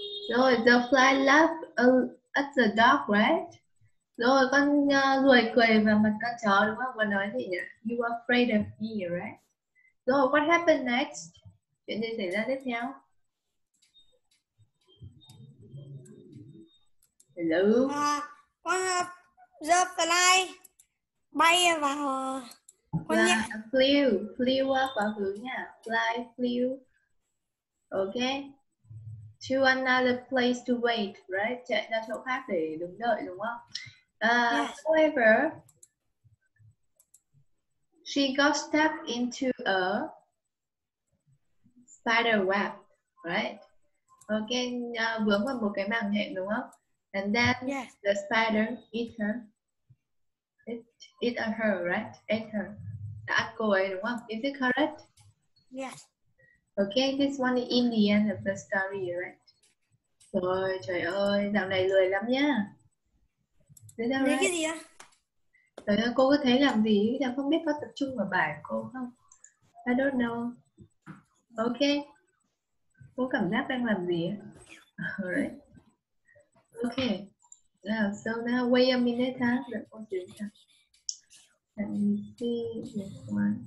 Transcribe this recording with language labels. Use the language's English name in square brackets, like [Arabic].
[English] Rồi, the fly laughed at the dog, right? [Vietnamese] Rồi, con ruồi cười vào mặt con chó, đúng không? Con nói gì nhỉ? [English] You are afraid of me, right? [Vietnamese] Rồi, [English] what happened next? [Vietnamese] Chuyện gì xảy ra tiếp theo? [English] Hello? The fly [Vietnamese] bay vào... Flew qua quá khứ nha. [English] Fly, flew. [Vietnamese] Okay. [English] To another place to wait, right? [Vietnamese] Chạy ra chỗ khác để đứng đợi, đúng không? [English] Yes. However, she got stuck into a spider web, right? [Vietnamese] Okay, vướng vào một cái màng nhện, đúng không? [English] And then yes. The spider eat her. It her, right? Ate her. [Vietnamese] Đã ăn cô ấy, đúng không? [English] Is it correct? Yes. Okay, this one is in the end of the story, right? [Vietnamese] Rồi, trời ơi, dạo này lười lắm nhá. Thế sao Lấy đấy? cái gì ạ? Trời ơi, cô có thấy làm gì? Sao không biết có tập trung vào bài của cô không? [English] I don't know. Ok. [Vietnamese] Cô cảm giác đang làm gì ấy? [English] Right. Ok. So now, wait a minute, huh?